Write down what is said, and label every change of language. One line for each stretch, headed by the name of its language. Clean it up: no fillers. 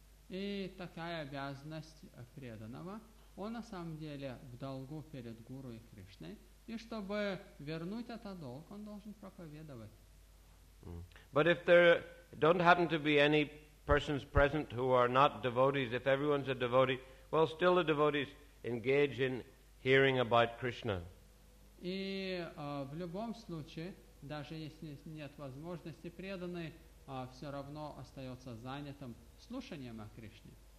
Russian: И такая обязанность преданного, он на самом деле в долгу перед Гуру и Кришной, и чтобы вернуть этот долг, он должен проповедовать.
English: But if there don't happen to be any persons present who are not devotees, if everyone's a devotee, well, still the devotees engage in hearing about Krishna.
Russian: И в любом случае, даже если нет возможности преданный, все равно остается занятым слушанием о Кришне.